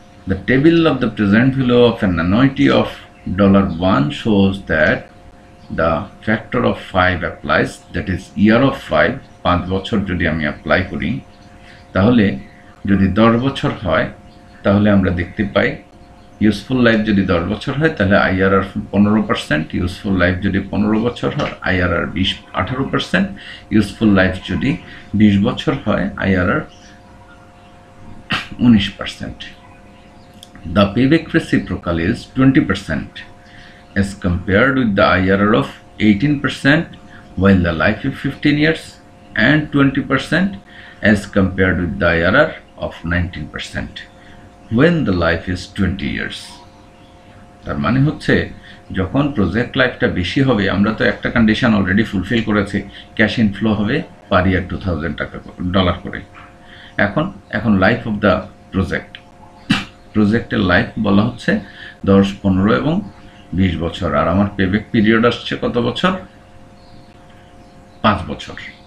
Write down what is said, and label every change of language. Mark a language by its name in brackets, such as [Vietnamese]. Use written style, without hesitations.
[English] The table of the present value of an annuity of $1 shows that the factor of 5 [Bangla] applies, that is year of 5, 5 বছর যদি আমি apply করি তাহলে যদি 10 বছর হয় তাহলে আমরা দেখতে পাই ইউজফুল লাইফ যদি 10 বছর হয় তাহলে IRR 15%, ইউজফুল লাইফ যদি 15 বছর হয় IRR 18%, ইউজফুল লাইফ যদি 20 বছর হয় IRR 19%। [English] The payback reciprocal is 20% as compared with the IRR of 18% while the life is 15 years and 20% as compared with the IRR of 19% when the life is 20 years. [Bangla] তার মানে হচ্ছে যখন project লাইফটা বেশি হবে, আমরা তো একটা কন্ডিশন অলরেডি ফুলফিল করেছি, ক্যাশ ইনফ্লো হবে পার ইয়ার $2,000 করে। এখন লাইফ অফ দ্য প্রজেক্টের লাইফ বলা হচ্ছে 10, 15 এবং 20 বছর, আর আমার পেব্যাক পিরিয়ড আসছে কত বছর, 5 বছর।